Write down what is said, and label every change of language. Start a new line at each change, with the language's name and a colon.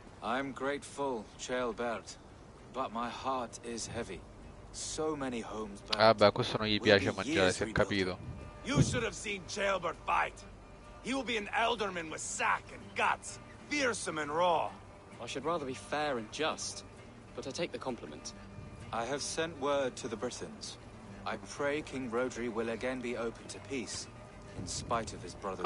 English: I'm grateful, Chaelbert, but my heart is heavy. So many homes burned.
Italian: Ah beh, questo non gli piace mangiare, si è capito.
English: You should have seen Chaelbert fight. He will be an elderman with sack and guts, fearsome and raw. I should rather be fair and just, but I take the compliment. I have sent word to the Britons. I pray King Rodri will again be open to peace, in spite of his brother's...